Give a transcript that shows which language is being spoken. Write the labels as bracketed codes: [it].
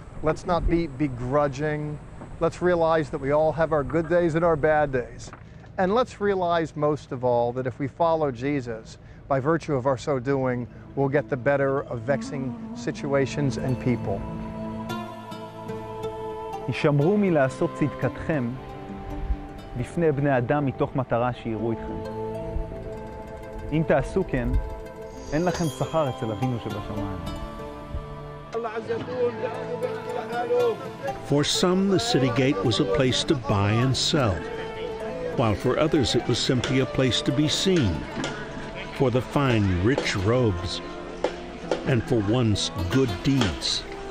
[en] Let's not be begrudging. Let's realize that we all have our good days and our bad days. And let's realize most of all that if we follow Jesus, by virtue of our so doing, we'll get the better of vexing situations and people. [he] הישמרו מלעשות צדקתכם בפני בני אדם מתוך מטרה שיראו אתכם. אם תעשו כן, אין לכם שכר אצל אבינו שבשמיים. [en] For some, the city gate was a place to buy and sell, while for others it was simply a place to be seen, for the fine, rich robes, and for one's good deeds.